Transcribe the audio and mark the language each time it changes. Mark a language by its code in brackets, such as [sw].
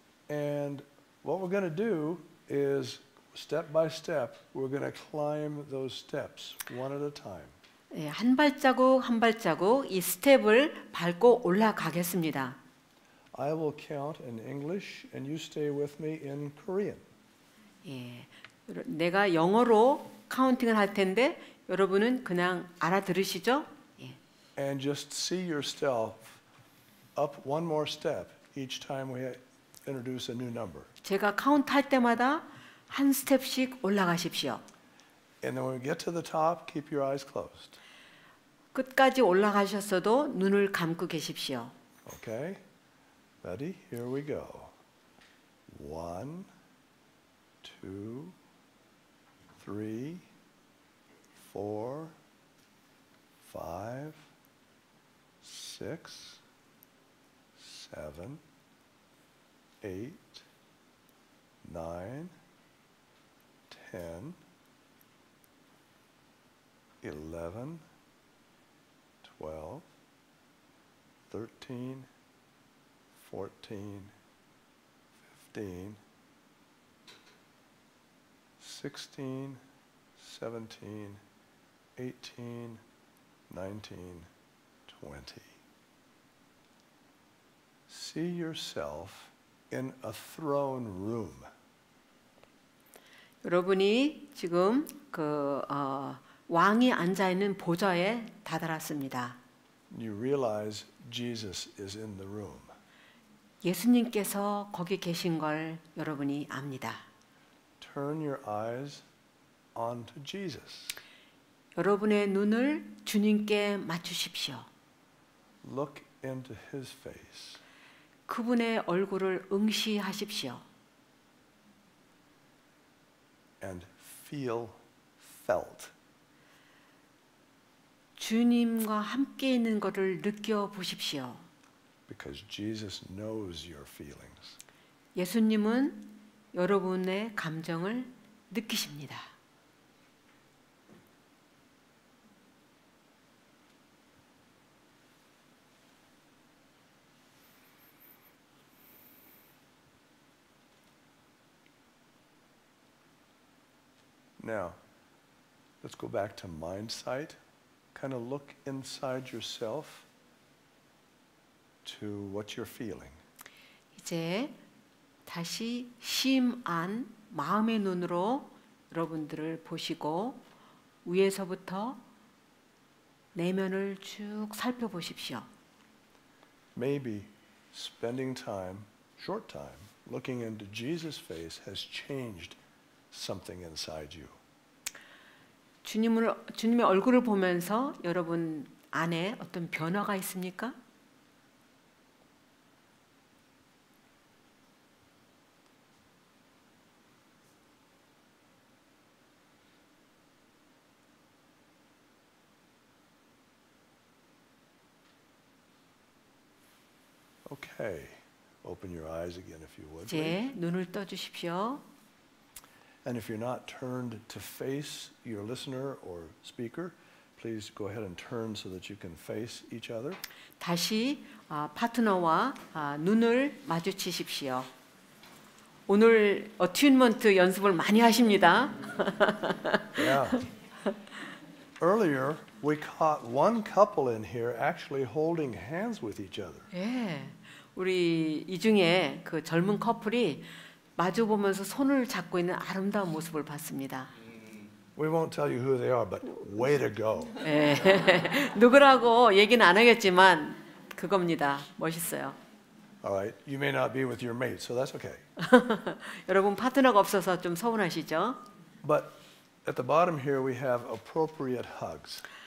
[en] And what we're going to do is step by step we're going to climb those steps one at a time. [ko] 예, 한 발자국 한 발자국 이 스텝을 밟고 올라가겠습니다. [en] I will count in English and you stay with me in Korean. [ko] 예. 내가 영어로 카운팅을 할 텐데 여러분은 그냥 알아들으시죠? [en] And just see yourself up one more step each time we introduce a new number. [ko] 제가 카운트 할 때마다 한 스텝씩 올라가십시오. [en] And then when we get to the top, keep your eyes closed. [ko] 끝까지 올라가셨어도 눈을 감고 계십시오. [en] Okay. Ready? Here we go. One, two, three, four, five. Six, seven, eight, nine, ten, 11, 12, 13, 14, 15, 16, 17, 18, 19, 20. See yourself in a throne room. [ko] 여러분이 지금 그 왕이 앉아 있는 보좌에 다다랐습니다. [en] You realize Jesus is in the room. [ko] 예수님께서 거기 계신 걸 여러분이 압니다. [en] Turn your eyes onto Jesus. [ko] 여러분의 눈을 주님께 맞추십시오. [en] Look into his face. [ko] 그분의 얼굴을 응시하십시오. [en] And feel felt. [ko] 주님과 함께 있는 것을 느껴 보십시오. [en] Because Jesus knows your feelings. [ko] 예수님은 여러분의 감정을 느끼십니다. [en] Now, let's go back to mind sight. Kind of look inside yourself to what you're feeling. [ko] 이제 다시 심안 마음의 눈으로 여러분들을 보시고 위에서부터 내면을 쭉 살펴보십시오. [en] Maybe spending time, short time, looking into Jesus' face has changed something inside you. [ko] 주님의 얼굴을 보면서 여러분 안에 어떤 변화가 있습니까? [en] Okay. Open your eyes again if you would. [ko] 이제 눈을 떠 주십시오. [en] And if you're not turned to face your listener or speaker, please go ahead and turn so that you can face each other. [ko] 다시 파트너와 눈을 마주치십시오. 오늘 어튜인먼트 연습을 많이 하십니다. [en] Yeah. Earlier we caught one couple in here actually holding hands with each other. [ko] 예. [en] Yeah. [ko] 우리 이 중에 그 젊은 커플이 마주 보면서 손을 잡고 있는 아름다운 모습을 봤습니다. [en] We won't tell you who they are, but way to go. [ko] 누구라고 얘기는 안 하겠지만 그겁니다. 멋있어요. [en] All right, you may not be with your mate, so that's okay. [ko] 여러분 파트너가 없어서 좀 서운하시죠? [en] But at the bottom here we have appropriate hugs.